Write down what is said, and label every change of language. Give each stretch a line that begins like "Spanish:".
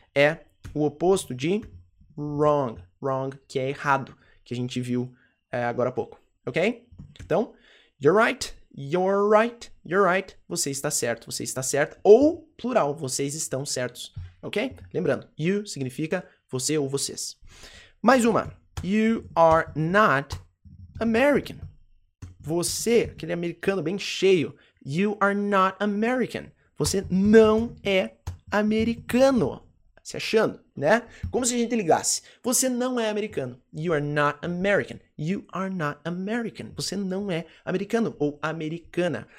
Portuguese: É o oposto de wrong. Wrong, que é errado, que a gente viu agora há pouco, ok? Então,
English: you're right. You're right,
Portuguese: você está certo, ou plural, vocês estão certos, ok? Lembrando, you significa você ou vocês. Mais uma,
English: you are not American.
Portuguese: Você, aquele americano bem cheio,
English: you are not American.
Portuguese: Você não é americano, se achando, né? Como se a gente ligasse, você não é americano,
English: you are not American. You are not American.
Portuguese: Você não é americano ou americana.